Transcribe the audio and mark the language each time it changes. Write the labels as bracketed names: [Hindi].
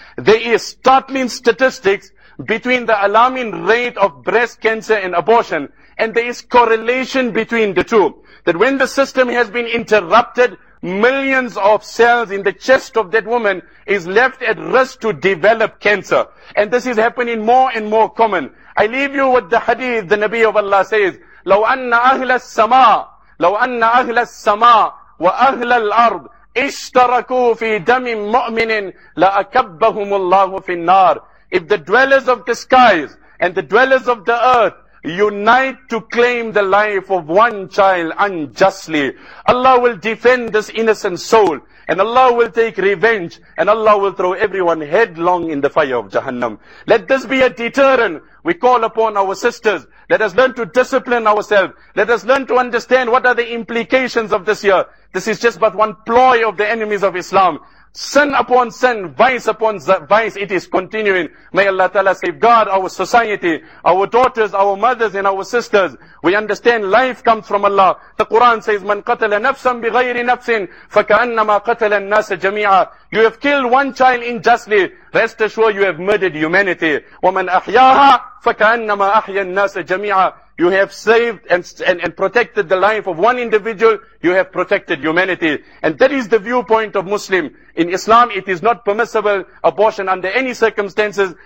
[English] There is startling statistics between the alarming rate of breast cancer and abortion, and there is correlation between the two. That when the system has been interrupted, millions of cells in the chest of that woman is left at risk to develop cancer. And this is happening more and more common. I leave you with the hadith the Nabi of Allah says, [Arabic] لو أن أهل السماء لو أن أهل السماء وأهل الأرض اشتركوا في دم مؤمن لأكبهم الله في النار. [English] If the dwellers of the skies and the dwellers of the earth unite to claim the life of one child unjustly, Allah will defend this innocent soul, and Allah will take revenge, and Allah will throw everyone headlong in the fire of Jahannam. Let this be a deterrent. We call upon our sisters. Let us learn to discipline ourselves. Let us learn to understand what are the implications of this year. This is just but one ploy of the enemies of Islam. Sin upon sin, vice upon vice, it is continuing. May Allah Ta'ala safeguard our society, our daughters, our mothers and our sisters. We understand life comes from Allah. The Quran says, [Arabic] مَنْ قَتَلَ نَفْسًا بِغَيْرِ نَفْسٍ فَكَأَنَّمَا قَتَلَ النَّاسَ جَمِيعًا. [English] You have killed one child unjustly. Rest assured, you have murdered humanity. [Arabic] وَمَنْ أَحْيَاهَا فَكَأَنَّمَا أَحْيَ النَّاسَ جَمِيعًا. [English] You have saved and protected the life of one individual. You have protected humanity. And that is the viewpoint of Muslim. In Islam, it is not permissible abortion under any circumstances.